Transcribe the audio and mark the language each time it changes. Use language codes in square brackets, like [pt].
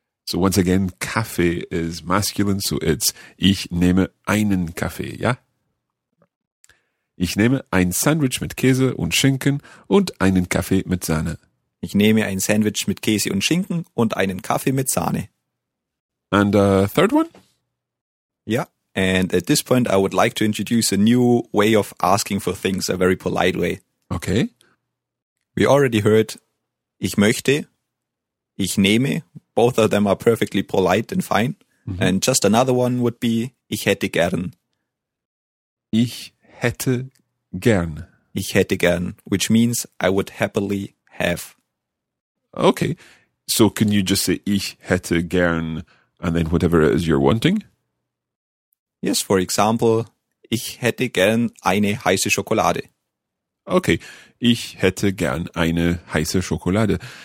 [en] So once again, Kaffee is masculine, so it's [de] ich nehme einen Kaffee, ja? Ich nehme ein Sandwich mit Käse und Schinken und einen Kaffee mit Sahne. Ich nehme ein Sandwich mit Käse und Schinken und einen Kaffee mit Sahne. [en] And a third one? Yeah, and at this point I would like to introduce a new way of asking for things, a very polite way. Okay. We already heard, [de] ich möchte, ich nehme, [en] both of them are perfectly polite and fine. Mm-hmm. And just another one would be, [de] ich hätte gern. Ich hätte gern. Ich hätte gern, [en] which means I would happily have. Okay, so can you just say [de] ich hätte gern [en] and then whatever it is you're wanting? Yes, for example, [de] ich hätte gern eine heiße Schokolade. Okay, ich hätte gern eine heiße Schokolade.